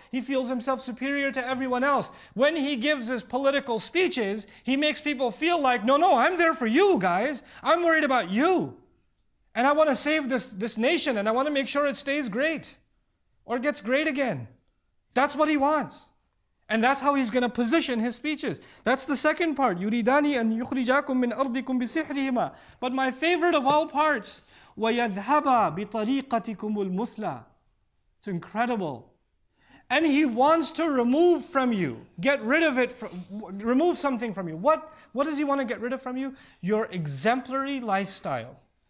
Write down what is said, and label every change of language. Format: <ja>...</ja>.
<en>He feels himself superior to everyone else. When he gives his political speeches, he makes people feel like, no, I'm there for you guys. I'm worried about you. And I want to save this nation, and I want to make sure it stays great or gets great again. That's what he wants. And that's how he's going to position his speeches. That's the second part.</en> <ar>يُرِيدَانِي أَن يُخْرِجَاكُم مِّنْ أَرْضِكُمْ بِسِحْرِهِمَا.</ar> <en>But my favorite of all parts,</en> <ar>وَيَذْهَبَا بِطَرِيقَتِكُمُ الْمُثْلَى.</ar> <en>It's incredible. And he wants to remove from you, get rid of it, remove something from you. What does he want to get rid of from you? Your exemplary lifestyle.</en>